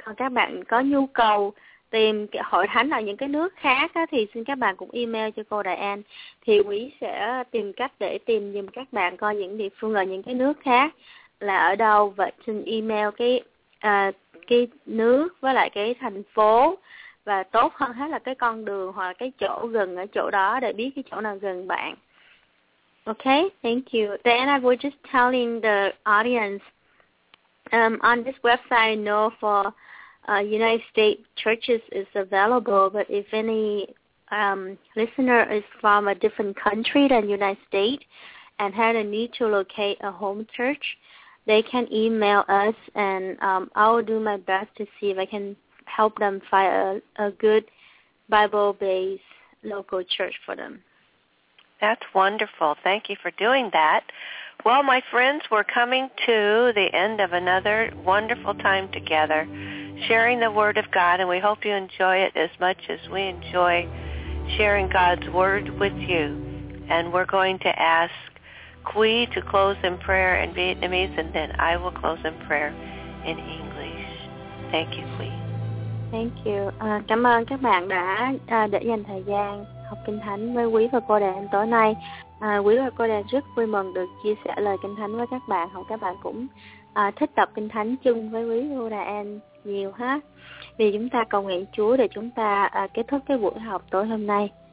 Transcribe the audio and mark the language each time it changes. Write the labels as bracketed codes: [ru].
[vi] Còn các bạn có nhu cầu tìm cái hội thánh ở những cái nước khác á, thì xin các bạn cũng email cho cô Đại An, thì quý sẽ tìm cách để tìm giùm các bạn coi những địa phương ở những cái nước khác là ở đâu, và xin email cái nước với lại cái thành phố, và tốt hơn hết là cái con đường hoặc là cái chỗ gần ở chỗ đó để biết cái chỗ nào gần bạn. [en] Okay, thank you. Then I was just telling the audience on this website, I know for United States churches is available, but if any listener is from a different country than United States and had a need to locate a home church, they can email us and I will do my best to see if I can help them find a good Bible-based local church for them. That's wonderful. Thank you for doing that. Well, my friends, we're coming to the end of another wonderful time together, sharing the Word of God, and we hope you enjoy it as much as we enjoy sharing God's Word with you. And we're going to ask Quy to close in prayer in Vietnamese, and then I will close in prayer in English. Thank you, Quy. Thank you. [vi] Cảm ơn các bạn đã để dành thời gian học Kinh Thánh với Quy và cô đàn tối nay. Quý và cô đàn rất vui mừng được chia sẻ lời Kinh Thánh với các bạn. Hoặc các bạn cũng thích đọc Kinh Thánh chung với Quý và cô đàn nhiều ha. Vì chúng ta cầu nguyện Chúa để chúng ta kết thúc cái buổi học tối hôm nay.